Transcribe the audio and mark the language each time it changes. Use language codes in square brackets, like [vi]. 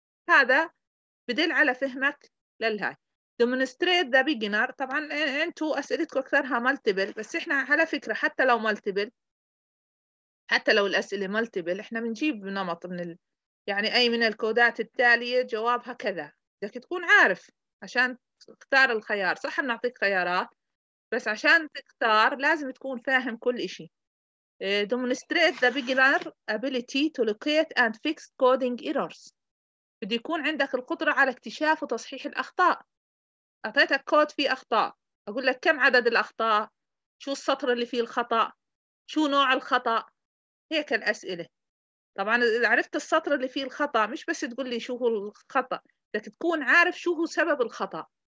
[ar] هذا بدل على فهمك للهاي. [en] Demonstrate the beginner، [ar] طبعا انتوا اسئلتكم اكثرها multiple، بس احنا على فكره حتى لو multiple، حتى لو الاسئله multiple احنا بنجيب نمط من يعني اي من الكودات التاليه جوابها كذا، بدك تكون عارف عشان تختار الخيار. صح بنعطيك خيارات بس عشان تختار لازم تكون فاهم كل إشي. [en] Demonstrate the beginner ability to locate and fix coding errors. [ar] بدي يكون عندك القدرة على اكتشاف وتصحيح الأخطاء. أعطيتك كود فيه أخطاء، أقول لك كم عدد الأخطاء، شو السطر اللي فيه الخطأ، شو نوع الخطأ، هيك الأسئلة. طبعاً إذا عرفت السطر اللي فيه الخطأ مش بس تقول لي شو هو الخطأ، بدك تكون عارف شو هو سبب الخطأ.